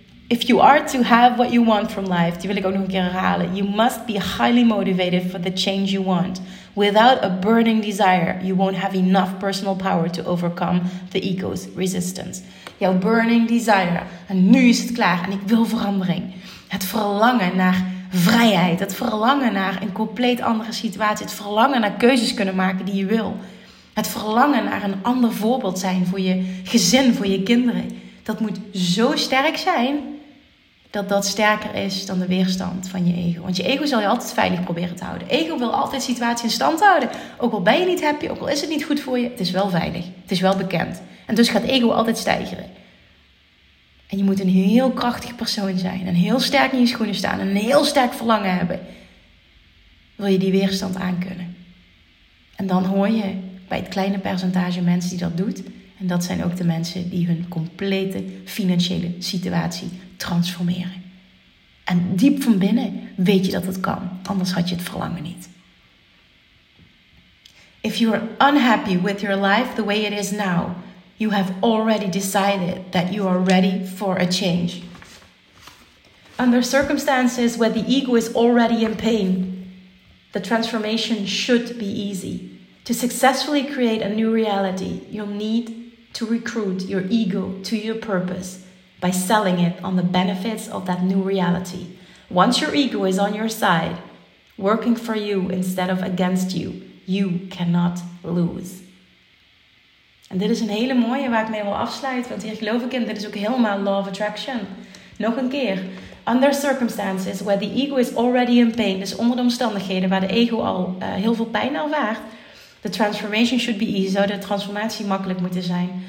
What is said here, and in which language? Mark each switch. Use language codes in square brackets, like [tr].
[en] If you are to have what you want from life, [nl] die wil ik ook nog een keer herhalen. [en] You must be highly motivated for the change you want. Without a burning desire, you won't have enough personal power to overcome the ego's resistance. [nl] Jouw burning desire. En nu is het klaar en ik wil verandering. Het verlangen naar vrijheid. Het verlangen naar een compleet andere situatie. Het verlangen naar keuzes kunnen maken die je wil. Het verlangen naar een ander voorbeeld zijn voor je gezin, voor je kinderen. Dat moet zo sterk zijn dat sterker is dan de weerstand van je ego. Want je ego zal je altijd veilig proberen te houden. Ego wil altijd de situatie in stand houden. Ook al ben je niet happy, ook al is het niet goed voor je, het is wel veilig. Het is wel bekend. En dus gaat ego altijd stijgen. En je moet een heel krachtig persoon zijn. En heel sterk in je schoenen staan. En een heel sterk verlangen hebben. Wil je die weerstand aankunnen. En dan hoor je bij het kleine percentage mensen die dat doet. En dat zijn ook de mensen die hun complete financiële situatie transformeren. En diep van binnen weet je dat het kan. Anders had je het verlangen niet. [en] If you are unhappy with your life the way it is now, you have already decided that you are ready for a change. Under circumstances where the ego is already in pain, the transformation should be easy. To successfully create a new reality, you'll need to recruit your ego to your purpose by selling it on the benefits of that new reality. Once your ego is on your side, working for you instead of against you, you cannot lose. [nl] En dit is een hele mooie waar ik mee wil afsluiten, want hier geloof ik in. Dit is ook helemaal law of attraction. Nog een keer. [en] Under circumstances where the ego is already in pain, [nl] dus onder de omstandigheden waar de ego al heel veel pijn ervaart, [en] the transformation should be easy, [nl] zou de transformatie makkelijk moeten zijn.